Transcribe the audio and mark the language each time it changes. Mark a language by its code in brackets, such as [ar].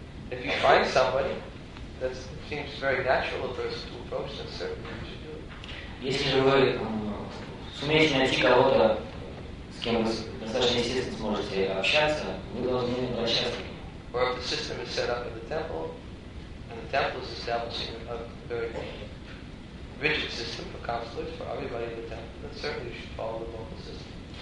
[en] If you find somebody that seems very natural a person to approach, then certainly you should do it. [ru] Если же вы сумеете найти кого-то, с кем вы достаточно естественно сможете общаться, вы должны обращаться к нему. [en] Or if the system is set up in the temple, and the temple is establishing a very rigid system for counselors for everybody in the temple, then certainly you should follow the local system.